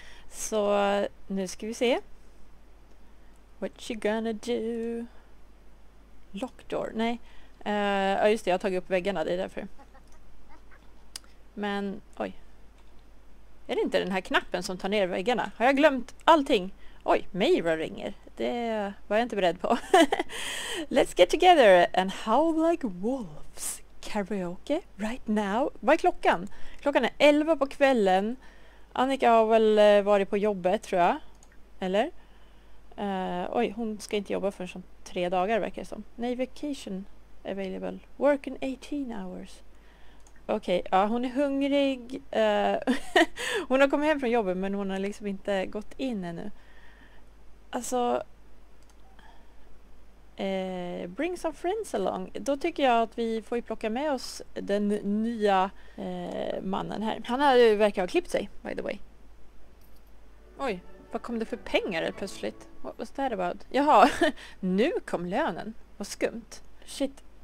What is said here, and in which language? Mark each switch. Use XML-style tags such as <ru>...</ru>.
<sv>Så nu ska vi se.</sv> <en>What you gonna do? Lock door,</en> <sv>nej. Ja just det, jag har tagit upp väggarna, det är därför. Men, oj. Är det inte den här knappen som tar ner väggarna? Har jag glömt allting? Oj, Mira ringer. Det var jag inte beredd på.</sv> <en>Let's get together and howl like wolves. Karaoke right now.</en> <sv>Vad är klockan? Klockan är 11 på kvällen. Annika har väl varit på jobbet, tror jag. Eller? Oj, hon ska inte jobba förrän som 3 dagar, verkar det som. Nej,</sv> <en>vacation available. Work in 18 hours.</en> <sv>Okej, okay, ja, hon är hungrig. hon har kommit hem från jobbet, men hon har liksom inte gått in ännu.</sv> <en>Alltså, bring some friends along.</en> <sv>Då tycker jag att vi får ju plocka med oss den nya mannen här. Han här verkar ha klippt sig,</sv> <en>by the way.</en> <sv>Oj, vad kom det för pengar plötsligt?</sv> <en>What was that about?</en> <sv>Jaha, nu kom lönen. Vad skumt. Shit.</sv>